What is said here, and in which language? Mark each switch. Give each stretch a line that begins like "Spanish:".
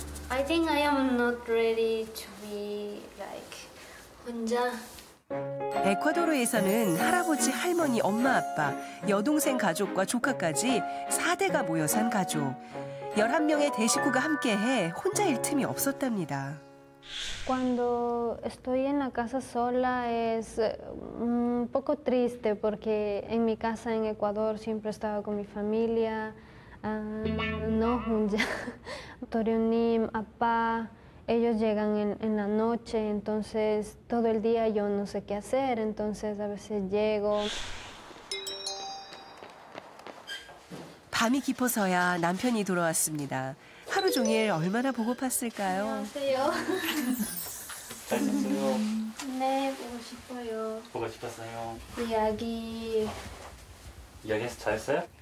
English: I think I am not ready to be like
Korean: 혼자. 에콰도르에서는 할아버지, 할머니, 엄마, 아빠, 여동생 가족과 조카까지 4대가 모여 산 가족. 11명의 대식구가 함께해 혼자일 틈이 없었답니다.
Spanish: Cuando estoy en la casa sola es un poco triste porque en mi casa en Ecuador siempre estaba con mi familia. No,
Korean: 혼자. 도련님, 아빠,
Spanish: ellos llegan en la noche, entonces todo el día yo no sé qué hacer, entonces a veces llego.
Korean: 밤이 깊어서야 남편이 돌아왔습니다. 하루 종일 얼마나 보고팠을까요? 안녕하세요. 안녕하세요. 네, 보고 싶어요. 보고 싶었어요. 이야기. 이야기해서 잘했어요?